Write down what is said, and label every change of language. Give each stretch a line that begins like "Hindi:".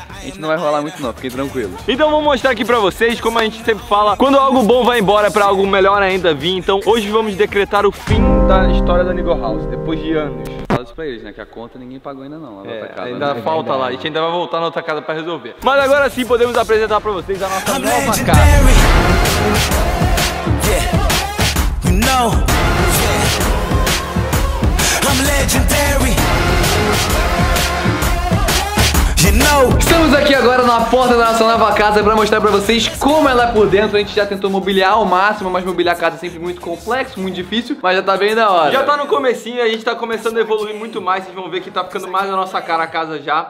Portuguese: A gente não vai rolar muito não, fiquem tranquilos. Então vou mostrar aqui pra vocês, como a gente sempre fala, quando algo bom vai embora, é pra algo melhor ainda vir. Então hoje vamos decretar o fim da história da Nigo House, depois de anos. Fala isso pra eles, né, que a conta ninguém pagou ainda não, lá na outra casa. Ainda falta lá, a gente ainda vai voltar na outra casa pra resolver. Mas agora sim podemos apresentar pra vocês a nossa nova casa.
English: Yeah, you know, yeah, I'm legendary.
Portuguese: Estamos aqui agora na porta da nossa nova casa pra mostrar pra vocês como ela é por dentro. A gente já tentou mobiliar ao máximo, mas mobiliar a casa é sempre muito complexo, muito difícil, mas já tá bem da hora. Já tá no comecinho, a gente tá começando a evoluir muito mais. Vocês vão ver que tá ficando mais na nossa cara a casa já.